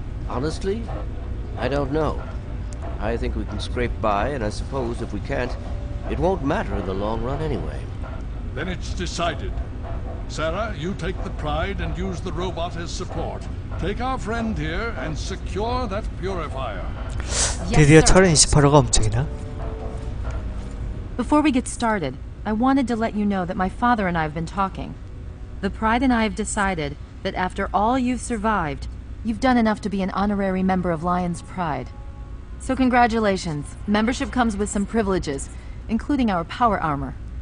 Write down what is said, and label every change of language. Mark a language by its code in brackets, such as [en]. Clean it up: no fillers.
[en] Honestly, I don't know. I think we can scrape by, and I suppose if we can't, it won't matter in the long run anyway. Then it's decided. Sarah, you take the Pride and use the robot as support. Take our friend here and secure that purifier. [ko] 드디어 철인 28호가 움직이나? [en] Before we get started, I wanted to let you know that my father and I have been talking. The Pride and I have decided that after all you've survived, you've done enough to be an honorary member of Lion's Pride. So congratulations. Membership comes with some privileges, including our power armor.